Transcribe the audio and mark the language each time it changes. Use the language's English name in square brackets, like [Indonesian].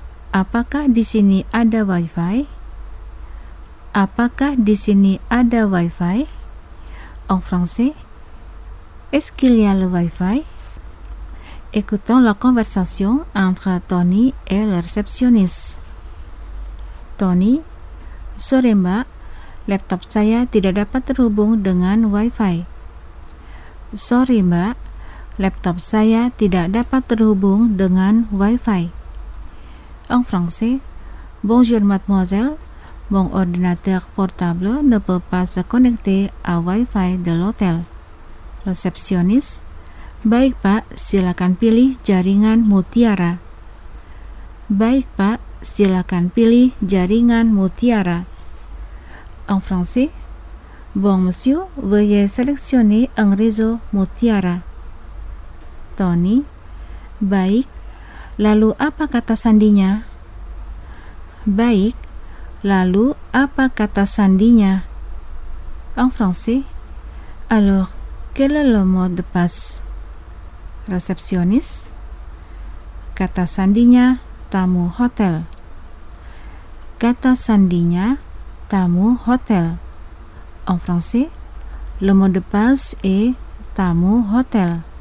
[Indonesian] Apakah di sini ada Wi-Fi? Apakah di sini ada Wi-Fi? [French] En français, est-ce qu'il y a le Wi-Fi? Écoutons la conversation entre Tony et le réceptionniste. [Indonesian] Tony, sore mbak. Laptop saya tidak dapat terhubung dengan Wi-Fi. Sorry, Mbak. Laptop saya tidak dapat terhubung dengan Wi-Fi. [French] En français. Bonjour, mademoiselle. Mon ordinateur portable ne peut pas se connecter à Wi-Fi de l'hôtel. [Indonesian] Resepsionis. Baik, Pak. Silakan pilih jaringan Mutiara. Baik, Pak. Silakan pilih jaringan Mutiara. [French] En français, bon monsieur, veuillez sélectionner un réseau Mutiara. [Indonesian] Tony, baik, lalu apa kata sandinya? Baik, lalu apa kata sandinya? [French] En français, alors, quel est le mot de passe? [Indonesian] Réceptionniste, kata sandinya, tamu hotel. Kata sandinya, tamu hotel. [French] En français, le mot de passe est tamu hotel.